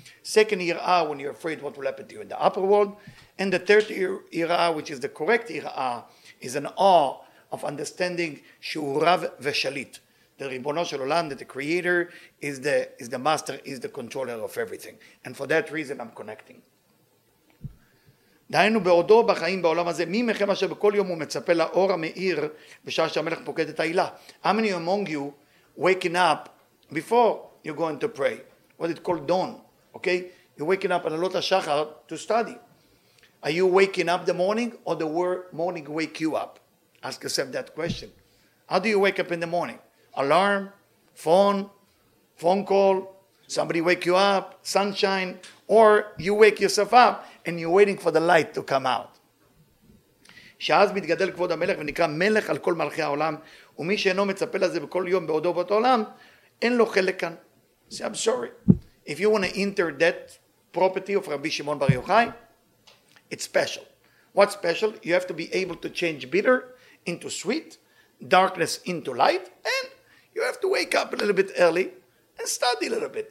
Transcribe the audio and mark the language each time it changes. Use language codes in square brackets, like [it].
[en] Second Yir'ah, when you're afraid what will happen to you in the upper world. And the third Yir'ah, which is the correct Yir'ah, is an awe of understanding Shu'urav ve'shalit. The Ribono Shel Olam, the creator, is the master, is the controller of everything. And for that reason, I'm connecting. [he] דהיינו בעודו בחיים בעולם הזה, מי מכם אשר בכל יום הוא מצפה לאור המאיר בשעה שהמלך פוקד את העילה? [en] How many among you waking up before you're going to pray? What is it called? Dawn, okay? You're waking up on Alot HaShachar to study. Are you waking up the morning or the morning wake you up? Ask yourself that question. How do you wake up in the morning? Alarm, phone call, somebody wake you up, sunshine, or you wake yourself up and you're waiting for the light to come out. [he] שאז מתגדל כבוד המלך ונקרא מלך על כל מלכי העולם, ומי שאינו מצפה לזה בכל יום בעודו באותו עולם, אין לו חלק כאן. [en] Say, I'm sorry. If you want to enter that property of Rabbi Shimon Bar Yochai, it's special. What's special? You have to be able to change bitter into sweet, darkness into light, and you have to wake up a little bit early and study a little bit.